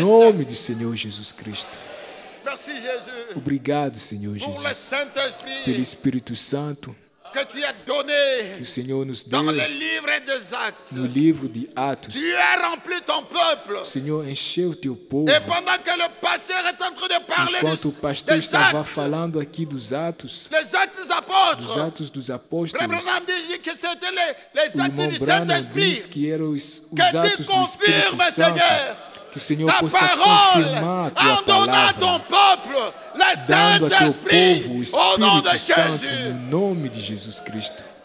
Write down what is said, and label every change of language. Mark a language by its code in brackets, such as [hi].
[pt] no nome do Senhor Jesus Cristo. [fr] Merci, Jesus. [pt] Obrigado, Senhor Jesus, pelo Espírito Santo [fr] que, tu as donné [pt] que o Senhor nos deu [fr] dans le livre des Actes. [pt] No livro de Atos. [fr] Tu as rempli ton peuple. [pt] O Senhor encheu o teu povo. [fr] Et pendant que le pasteur est en train de parler [pt] enquanto o pastor estava actes, falando aqui dos Atos, [fr] les actes des apôtres, [pt] dos Atos dos Apóstolos, [fr] Branham [pt] disse [fr] que c'était les actes du Saint-Esprit, [pt] que eram os Atos do Espírito Santo. Que o Senhor possa confirmar a tua palavra, dando a teu povo o Espírito Santo, no nome de Jesus Cristo.